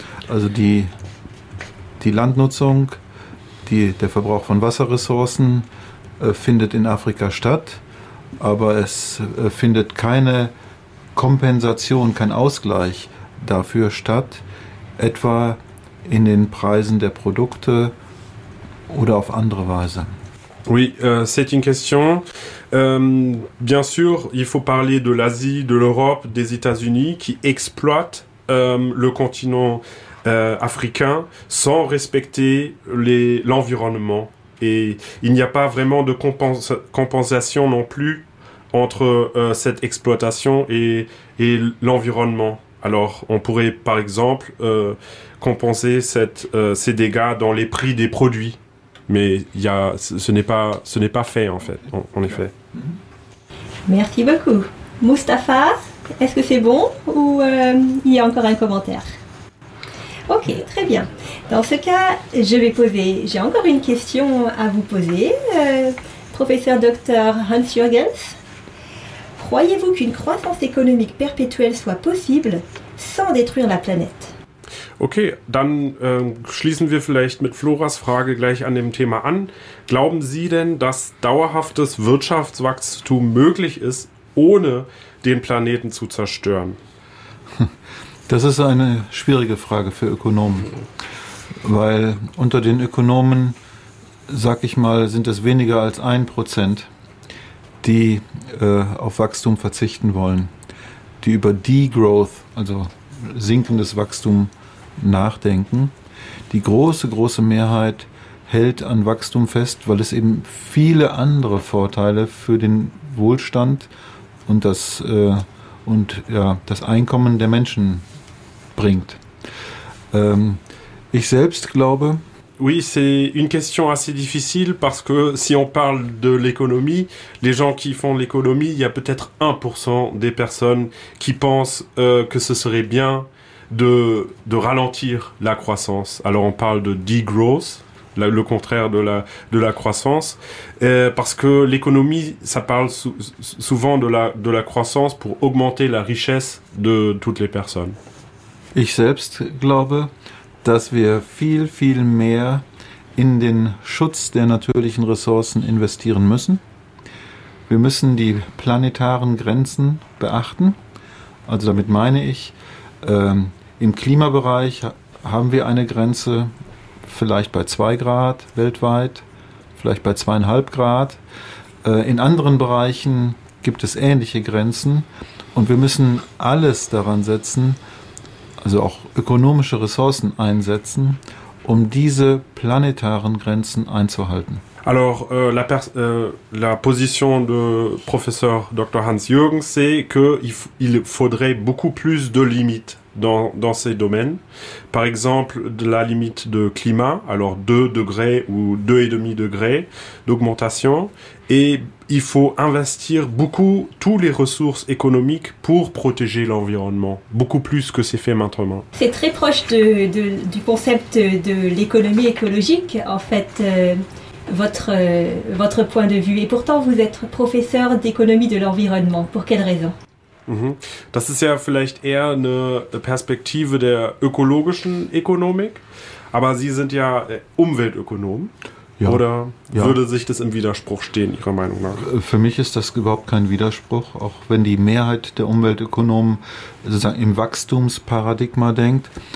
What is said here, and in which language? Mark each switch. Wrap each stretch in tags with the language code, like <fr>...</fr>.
<de>Also die Landnutzung, der Verbrauch von Wasserressourcen findet in Afrika statt, aber es findet keine Kompensation, kein Ausgleich dafür statt, etwa in den Preisen der Produkte oder auf andere Weise.</de> <fr>Oui, c'est une question. Bien sûr, il faut parler de l'Asie, de l'Europe, des États-Unis qui exploitent le continent africains sans respecter l'environnement. Et il n'y a pas vraiment de compensation non plus entre cette exploitation et l'environnement. Alors on pourrait par exemple compenser ces dégâts dans les prix des produits. Mais ce n'est pas fait en fait, en effet. Merci beaucoup. Mustapha, est-ce que c'est bon ou il y a encore un commentaire? Ok, très bien. Dans ce cas, j'ai encore une question à vous poser. Professeur Dr. Hans Jürgens, croyez-vous qu'une croissance économique perpétuelle soit possible sans détruire la planète?</fr> <de>Ok, dann schließen wir vielleicht mit Floras Frage gleich an dem Thema an. Glauben Sie denn, dass dauerhaftes Wirtschaftswachstum möglich ist, ohne den Planeten zu zerstören? Das ist eine schwierige Frage für Ökonomen, weil unter den Ökonomen, sag ich mal, sind es weniger als 1%, die auf Wachstum verzichten wollen, die über Degrowth, also sinkendes Wachstum, nachdenken. Die große, große Mehrheit hält an Wachstum fest, weil es eben viele andere Vorteile für den Wohlstand und das Einkommen der Menschen bringt. Ich selbst glaube.</de> <fr>Oui, c'est une question assez difficile parce que si on parle de l'économie, les gens qui font l'économie, il y a peut-être 1% des personnes qui pensent que ce serait bien de ralentir la croissance. Alors on parle de degrowth, le contraire de la croissance, parce que l'économie, ça parle souvent de la croissance pour augmenter la richesse de toutes les personnes.</fr> <de>Ich selbst glaube, dass wir viel, viel mehr in den Schutz der natürlichen Ressourcen investieren müssen. Wir müssen die planetaren Grenzen beachten. Also damit meine ich, im Klimabereich haben wir eine Grenze, vielleicht bei 2 Grad weltweit, vielleicht bei 2,5 Grad. In anderen Bereichen gibt es ähnliche Grenzen und wir müssen alles daran setzen, also auch ökonomische Ressourcen einsetzen, um diese planetaren Grenzen einzuhalten.</de> <fr>Alors la position de professeur Dr. Hans Jürgens, c'est que il faudrait beaucoup plus de limites dans ces domaines. Par exemple, de la limite de climat, alors 2 degrés ou 2,5 degrés d'augmentation. Et il faut investir beaucoup, toutes les ressources économiques pour protéger l'environnement, beaucoup plus que c'est fait maintenant. C'est très proche du concept de l'économie écologique, en fait, votre point de vue. Et pourtant, vous êtes professeur d'économie de l'environnement. Pour quelle raison ?</fr> <de>Das ist ja vielleicht eher eine Perspektive der ökologischen Ökonomik, aber Sie sind ja Umweltökonom, ja. Oder ja. Würde sich das im Widerspruch stehen, Ihrer Meinung nach? Für mich ist das überhaupt kein Widerspruch, auch wenn die Mehrheit der Umweltökonomen sozusagen im Wachstumsparadigma denkt.</de>